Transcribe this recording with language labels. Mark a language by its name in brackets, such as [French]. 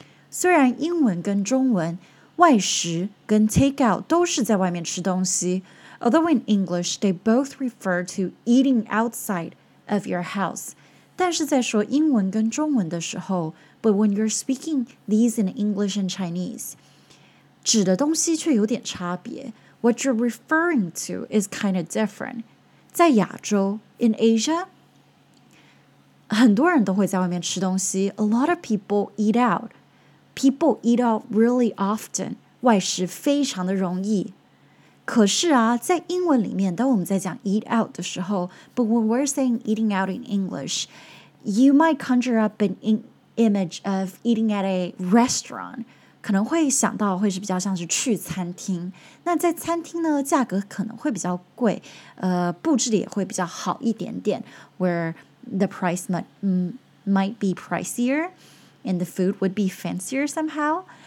[Chinese] 虽然英文跟中文, 外食跟 take out 都是在外面吃东西, [English] although in English, they both refer to eating outside of your house. [Chinese] 但是在说英文跟中文的时候, [English] but when you're speaking these in English and Chinese, [Chinese] 指的东西却有点差别, [English] What you're referring to is kind of different. [Chinese] 在亚洲, [English] in Asia, [Chinese] 很多人都会在外面吃东西. [English] A lot of people eat out. People eat out really often. [Chinese] 外食非常的容易. 可是啊, 在英文里面, 当我们在讲 [English] eat out的时候, but when we're saying eating out in English, you might conjure up an image of eating at a restaurant. [Chinese] 可能会想到会是比较像是去餐厅 那在餐厅呢, 价格可能会比较贵, 布置的也会比较好一点点, [English] where the price might be pricier and the food would be fancier somehow.